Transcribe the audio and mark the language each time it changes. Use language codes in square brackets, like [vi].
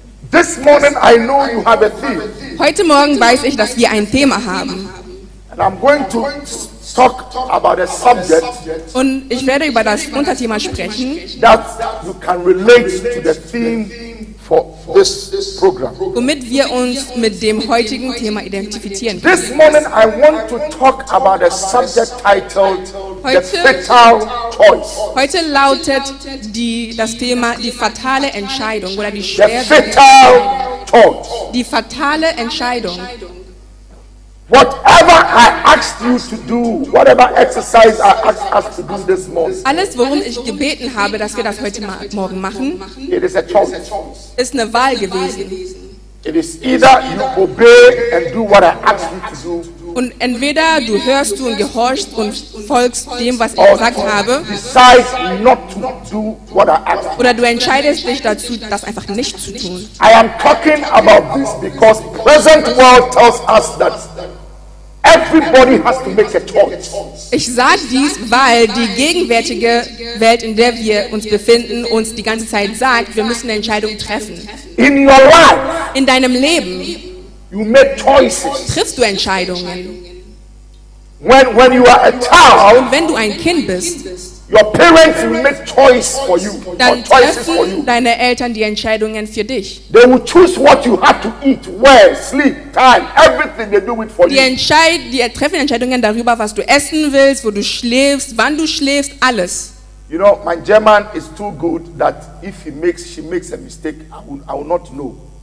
[en] This morning I know you have a theme. [de] Heute Morgen weiß ich, dass wir ein Thema haben. [en] And I'm going to talk about a subject. [de] Und ich werde über das Unterthema sprechen. [en] That you can relate to the theme for this program. [de] Womit wir uns mit dem heutigen Thema identifizieren können. [en] This morning I want to talk about a subject titled The Fatal Choice. [de] Heute lautet das Thema die fatale Entscheidung oder die schwere [en] The Fatal Choice. [de] Die fatale Entscheidung. [en] Whatever I asked you to do, whatever exercise I asked us to do this morning. [de] Alles, worum ich gebeten habe, dass wir das heute morgen machen. [en] It is a choice. [de] Ist eine Wahl gewesen. [en] It is either you obey and do what I ask you to do. [de] Und entweder du hörst und gehorchst und folgst dem, was ich gesagt habe. [en] Decide not to do what I ask. [de] Oder du entscheidest dich dazu, das einfach nicht zu tun. [en] I am talking about this because present world tells us that. Everybody has to make a choice. [de] Ich sage dies, weil die gegenwärtige Welt, in der wir uns befinden, uns die ganze Zeit sagt, wir müssen eine Entscheidung treffen. [en] In your life, [de] in deinem Leben, [en] you make choices. [de] Triffst du Entscheidungen. [en] When you are a child, [de] und wenn du ein Kind bist, [en] your parents will make choice for you, [de] dann treffen deine Eltern die Entscheidungen für dich. [en] They will choose what you have to eat, where, sleep, time, everything, they do it for [de] die treffen Entscheidungen darüber, was du essen willst, wo du schläfst, wann du schläfst, alles. [en] You know, my German is too good that if she makes a mistake, I will not know.